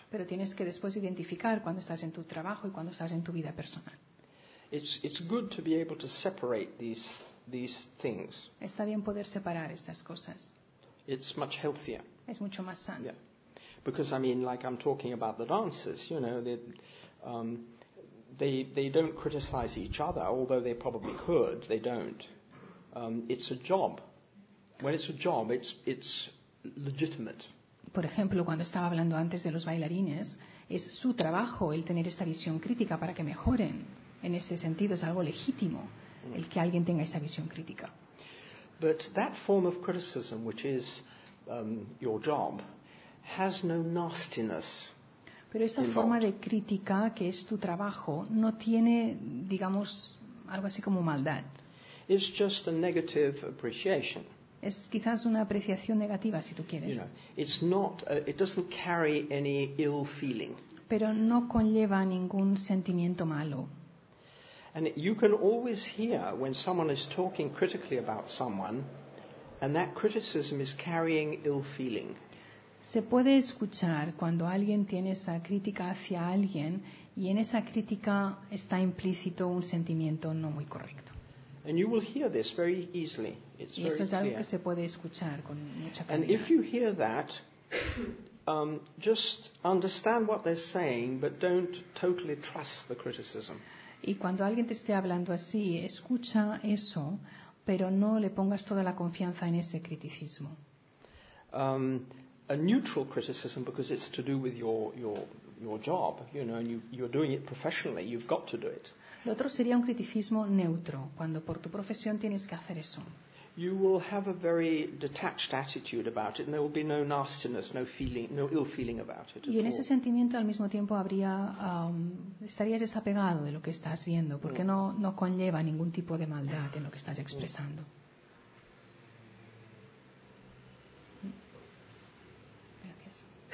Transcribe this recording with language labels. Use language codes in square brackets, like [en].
[es] Pero tienes que después identificar cuando estás en tu trabajo y cuando estás en tu vida personal. [en] It's good to be able to separate these things. [es] Está bien poder separar estas cosas. [en] It's much healthier. [es] Es mucho más sano. [en] Yeah. Because I mean, like I'm talking about the dancers, you know, they don't criticize each other, although they probably could. They don't. It's a job. When it's a job, it's legitimate. [es] Por ejemplo, cuando estaba hablando antes de los bailarines, es su trabajo el tener esta visión crítica para que mejoren. En ese sentido, es algo legítimo. El que alguien tenga esa visión crítica. [en] But that form of criticism, which is your job, has no nastiness. [es] Pero esa [en] involved. [es] Forma de crítica que es tu trabajo no tiene, digamos, algo así como maldad. [en] It's just a negative appreciation. [es] Es quizás una apreciación negativa, si tú quieres. [en] You know, it's not. It doesn't carry any ill feeling. [es] Pero no conlleva ningún sentimiento malo. [en] And you can always hear when someone is talking critically about someone, and that criticism is carrying ill feeling. [es] Se puede escuchar cuando alguien tiene esa crítica hacia alguien, y en esa crítica está implícito un sentimiento no muy correcto. [en] And you will hear this very easily. [es] Y eso es algo que se puede escuchar con mucha claridad. [en] And if you hear that, just understand what they're saying, but don't totally trust the criticism. [es] Y cuando alguien te esté hablando así, escucha eso, pero no le pongas toda la confianza en ese criticismo. [en] A neutral criticism because it's to do with your job, you know, and you're doing it professionally, you've got to do it. [es] Lo otro sería un criticismo neutro, cuando por tu profesión tienes que hacer eso. [en] You will have a very detached attitude about it, and there will be no nastiness, no feeling, no ill feeling about it. [es] Y en ese sentimiento, al mismo tiempo, habría estarías desapegado de lo que estás viendo, porque no conlleva ningún tipo de maldad en lo que estás expresando. Gracias.